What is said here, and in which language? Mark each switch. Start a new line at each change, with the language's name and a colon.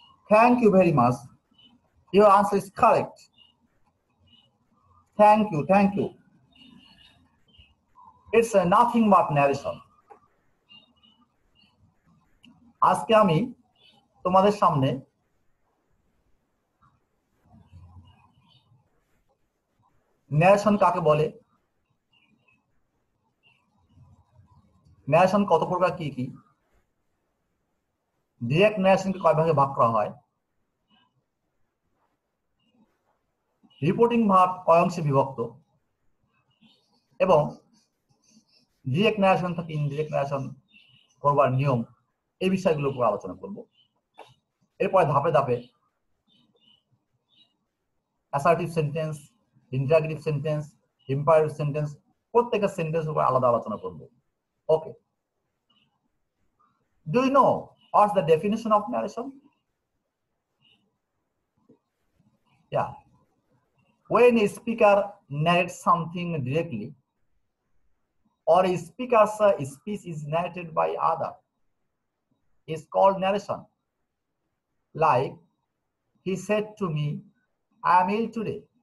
English: Thank you very much. Your answer is correct. Thank you, thank you. It's nothing but narration.
Bangla: আজকে আমি তোমাদের সামনে narration কাকে বলে, ন্যারেশন কত প্রকার, কি কি, ডিরেক্ট ন্যারেশনকে কয় ভাগে ভাগ করা হয়, রিপোর্টিং ভাগ কয় অংশে বিভক্ত, এবং ডিরেক্ট ন্যারেশন থেকে ইনডিরেক্ট ন্যারেশন করবার নিয়ম, এই বিষয়গুলো উপর আলোচনা করব। এরপরে ধাপে ধাপে assertive sentence, inductive sentence, imperative sentence, প্রত্যেকটা সেন্টেন্স উপর আলাদা আলোচনা করব।
English: Okay, do you know what's the definition of narration? Yeah, when a speaker narrates something directly or a speaker's speech is narrated by other is called narration. Like, he said to me, I am ill today.